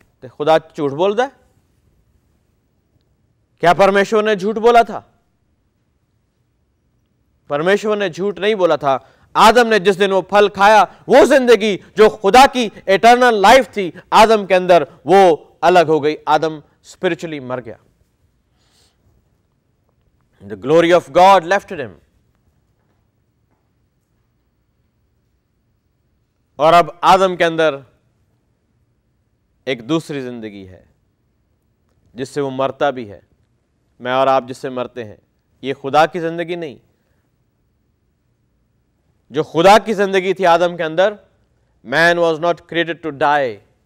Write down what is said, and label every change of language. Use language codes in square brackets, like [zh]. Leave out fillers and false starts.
[ur] تو خدا جھوٹ بول دے کیا؟ پرمیشور نے جھوٹ بولا تھا؟ پرمیشور نے جھوٹ نہیں بولا تھا. آدم نے جس دن وہ پھل کھایا, وہ زندگی جو خدا کی ایٹرنل لائف تھی آدم کے اندر, وہ الگ ہو گئی. آدم اسپرچلی مر گیا. [en] The glory of God left him. [ur] اور اب آدم کے اندر ایک دوسری زندگی ہے جس سے وہ مرتا بھی ہے. میں اور آپ جس سے مرتے ہیں, یہ خدا کی زندگی نہیں. جو خدا کی زندگی تھی آدم کے اندر, [en] man was not created to die.